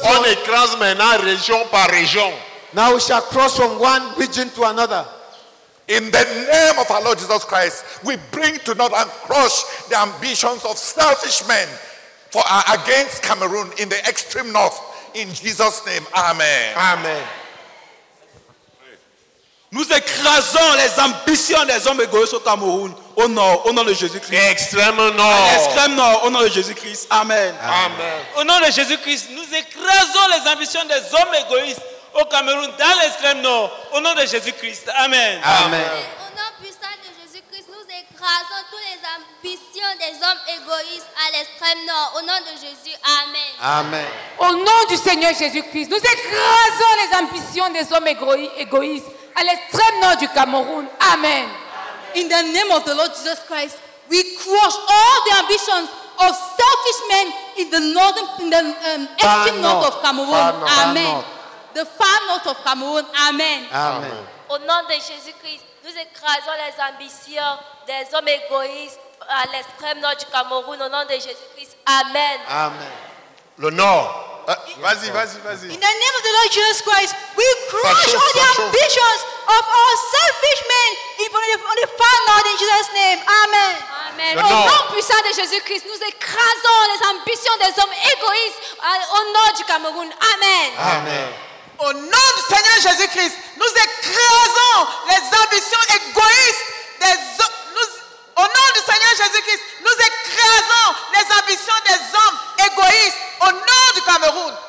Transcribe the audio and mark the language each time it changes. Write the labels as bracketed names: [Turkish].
[French] front, on écrase maintenant région par région. [English] Now we shall cross from one region to another. In the name of our Lord Jesus Christ, we bring to naught and crush the ambitions of selfish men for against Cameroon in the extreme north. In Jesus' name, amen. Amen. [French] Nous écrasons les ambitions des hommes égoïstes au Cameroun. Au nom de Jésus-Christ. Extrême nord. Extrême nord, au nom de Jésus-Christ. Amen. Amen. Au nom de Jésus-Christ, nous écrasons les ambitions des hommes égoïstes au Cameroun dans l'extrême nord. Au nom de Jésus-Christ. Amen. Amen. Au nom puissant de Jésus-Christ, nous écrasons toutes les ambitions des hommes égoïstes à l'extrême nord. Au nom de Jésus. Amen. Amen. Au nom du Seigneur Jésus-Christ, nous écrasons les ambitions des hommes égoïstes à l'extrême nord du Cameroun. Amen. [English] In the name of the Lord Jesus Christ, we crush all the ambitions of selfish men in the northern, in the extreme north of Cameroon. Amen. The far north of Cameroon. Amen. Amen. [French] Au nom de Jésus-Christ, nous écrasons les ambitions des hommes égoïstes à l'extrême nord du Cameroun. Au nom de Jésus-Christ. Amen. Amen. Le nord. Vas-y. [English] In the name of the Lord Jesus Christ, we crush all the ambitions of our selfish men in the far north in Jesus' name. Amen. Amen. [French] Au nom puissant de Jésus-Christ, nous écrasons les ambitions des hommes égoïstes au nord du Cameroun. Amen. Amen. Au nom du Seigneur Jésus-Christ, nous écrasons les ambitions égoïstes des hommes. Au nom du Seigneur Jésus-Christ, nous écrasons les ambitions des hommes égoïstes au nom du Cameroun.